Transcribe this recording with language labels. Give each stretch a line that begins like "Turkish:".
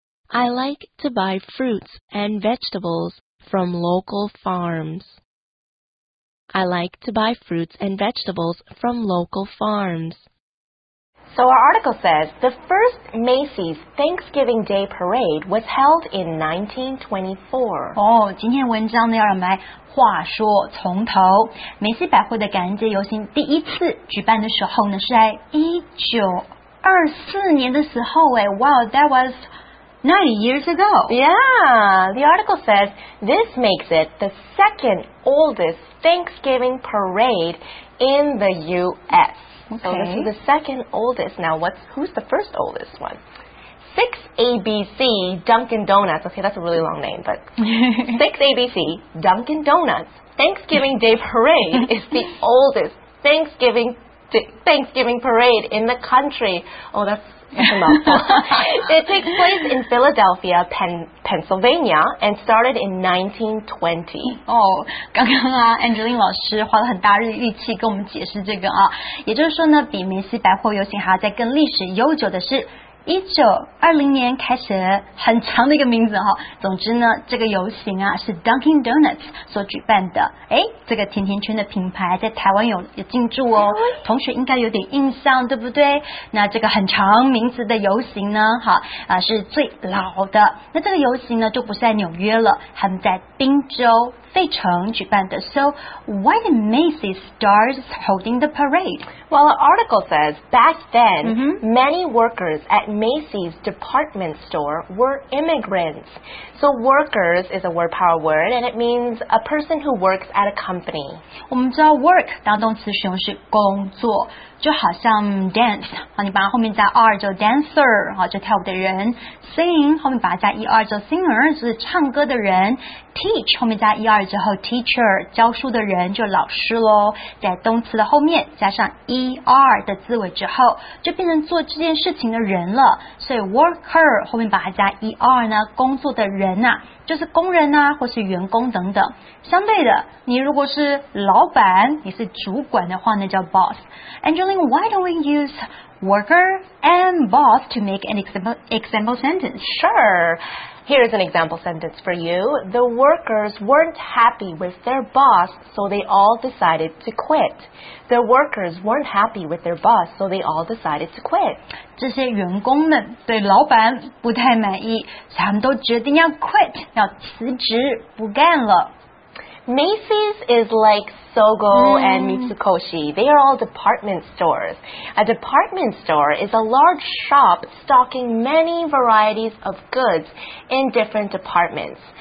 English: I like to buy fruits and vegetables from local farms. I like to buy fruits and vegetables from local farms. So our article says, the first Macy's Thanksgiving Day Parade was held in 1924.
Chinese: 今天文章呢要让我们来话说从头。梅西百货的感恩节游行第一次举办的时候呢是在1924年的时候诶。
English: Wow, that was... 90 years ago. Yeah, the article says this makes it the second oldest Thanksgiving parade in the U.S. Okay. So this is the second oldest. Now, who's the first oldest one? 6ABC Dunkin' Donuts. Okay, that's a really long name, but 6ABC Dunkin' Donuts Thanksgiving Day Parade is the oldest Thanksgiving parade in the country. Oh, that's... It takes place in Philadelphia, Pennsylvania, and started in 1920.
Chinese: 刚刚啊 ，Angeline 老师花了很大的力气跟我们解释这个啊，也就是说呢，比梅西百货游行还要再更历史悠久的是。 1920年开始很长的一个名字哈、哦。总之呢，这个游行啊是 Dunkin' Donuts 所举办的。哎，这个甜甜圈的品牌在台湾有进驻哦，同学应该有点印象，对不对？那这个很长名字的游行呢，哈啊是最老的。那这个游行呢就不是在纽约了，他们在宾州费城举办的。
English: So why did Macy's start holding the parade? Well, an article says back then、mm-hmm. many workers at Macy's department store were immigrants. So workers is a word power word and it means a person who works at a company.
Chinese: 我们知道 work 当动词使用是工作。就好像 dance 啊，你把它后面加 r 就 dancer 啊，就跳舞的人 ；sing 后面把它加 er 就 singer， 就是唱歌的人 ；teach 后面加 er 之后 teacher 教书的人就老师喽。在动词的后面加上 er 的字尾之后，就变成做这件事情的人了。所以 worker 后面把它加 er 呢，工作的人呐、啊，就是工人呐、啊，或是员工等等。相对的，你如果是老板，你是主管的话，那叫 boss。
English: Angeline, why don't we use worker and boss to make an example sentence? Sure. Here's an example sentence for you. The workers weren't happy with their boss, so they all decided to quit. The workers weren't happy with their boss, so they all decided to quit.
Chinese: 这些员工们对老板不太满意，所以他们都决定要 quit, 要辞职，不干了。
English: Macy's is like Sogo and Mitsukoshi. They are all department stores. A department store is a large shop stocking many varieties of goods in different departments.